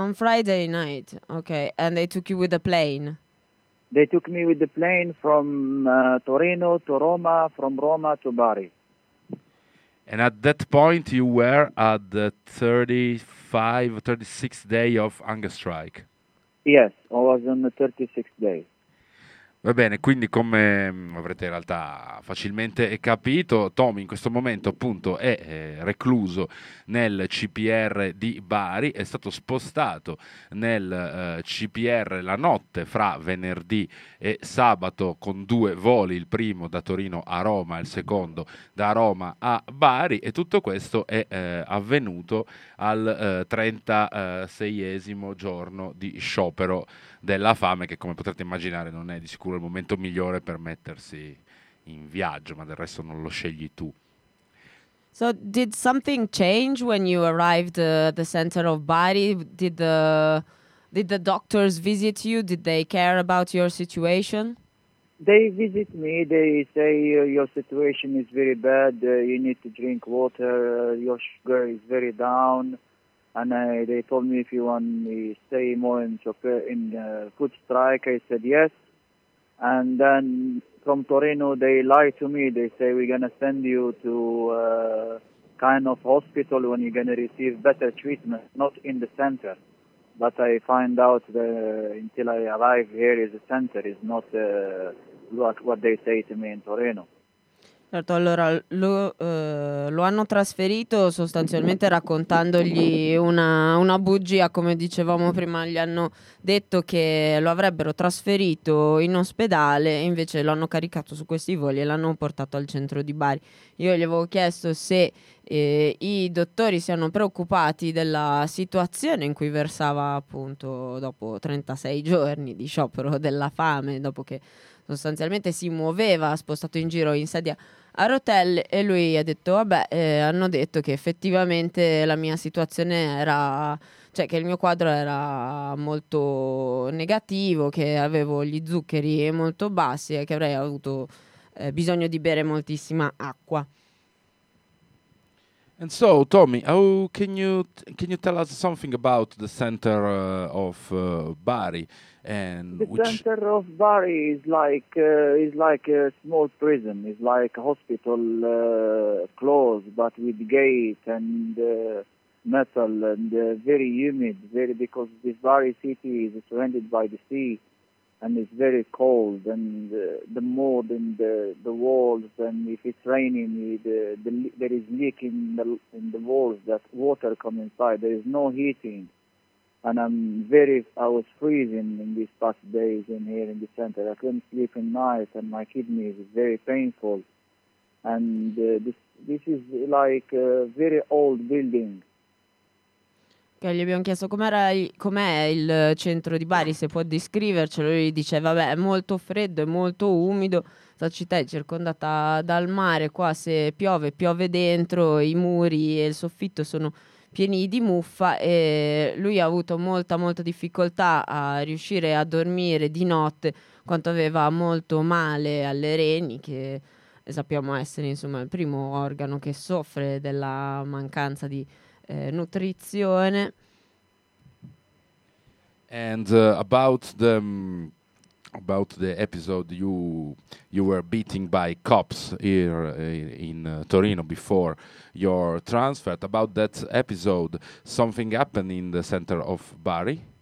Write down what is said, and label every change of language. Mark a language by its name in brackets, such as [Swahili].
[English] On Friday night, okay. And they took you with a plane. They took me with the plane from Torino to Roma, from Roma to Bari. And at that point, you were at the 35, 36th day of hunger strike. Yes, I was on the 36th day. [Italian] Va bene, quindi come avrete in realtà facilmente capito, Tommy in questo momento appunto è recluso nel CPR di Bari, è stato spostato nel CPR la notte fra venerdì e sabato con due voli, il primo da Torino a Roma, il secondo da Roma a Bari e tutto questo è avvenuto al 36esimo giorno di sciopero della fame che come potrete immaginare non è di sicuro il momento migliore per mettersi in viaggio, ma del resto non lo scegli tu. [English] So, did something change when you arrived at the center of Bari? Did the doctors visit you? Did they care about your situation? They visit me, they say your situation is very bad, you need to drink water, your sugar is very down. And they told me if you want me to stay more in food strike, I said yes. And then from Torino, they lie to me. They say we're gonna send you to a kind of hospital when you're gonna receive better treatment, not in the center. But I find out that until I arrive here, is the center is not what they say to me in Torino. [Italian] Certo, allora lo hanno trasferito sostanzialmente raccontandogli una bugia, come dicevamo prima, gli hanno detto che lo avrebbero trasferito in ospedale, invece lo hanno caricato su questi voli e l'hanno portato al centro di Bari. Io gli avevo chiesto se i dottori siano preoccupati della situazione in cui versava appunto dopo 36 giorni di sciopero della fame, dopo che sostanzialmente si muoveva, spostato in giro in sedia a rotelle e lui ha detto: Vabbè, hanno detto che effettivamente la mia situazione era, cioè che il mio quadro era molto negativo, che avevo gli zuccheri molto bassi e che avrei avuto bisogno di bere moltissima acqua. [English] And so, Tommy, how can you tell us something about the center of Bari and The which? center of Bari is like a small prison. It's like a hospital closed, but with gate and metal and very humid. Very because this Bari city is surrounded by the sea, and it's very cold. And the mud and the walls, and if it's raining, there is leak in the walls that water come inside. There is no heating. And I was freezing in these past days in here in the center. I couldn't sleep at night, and my kidneys is very painful. And this is like a very old building. [Italian] Okay, gli abbiamo chiesto com'è il centro di Bari, se può descrivercelo. Lui dice: Vabbè, è molto freddo, è molto umido. La città è circondata dal mare. Qua se piove, piove dentro, i muri e il soffitto sono pieni di muffa e lui ha avuto molta molta difficoltà a riuscire a dormire di notte, quanto aveva molto male alle reni, che sappiamo essere insomma il primo organo che soffre della mancanza di nutrizione. [English] And about the episode you were beaten by cops here in Torino before your transfer. About that episode, something happened in the center of Bari.